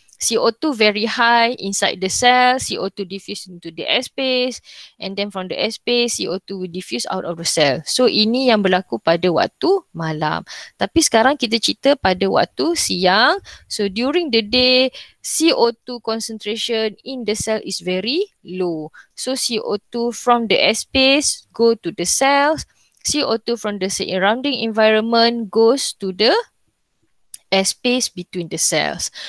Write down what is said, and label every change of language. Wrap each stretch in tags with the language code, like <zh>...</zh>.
<en>CO2 very high inside the cell, CO2 diffuse into the airspace, and then from the airspace, CO2 will diffuse out of the cell.</en> <ms>So ini yang berlaku pada waktu malam. Tapi sekarang kita cerita pada waktu siang.</ms> <en>So during the day, CO2 concentration in the cell is very low. So CO2 from the airspace go to the cells, CO2 from the surrounding environment goes to the airspace between the cells.</en>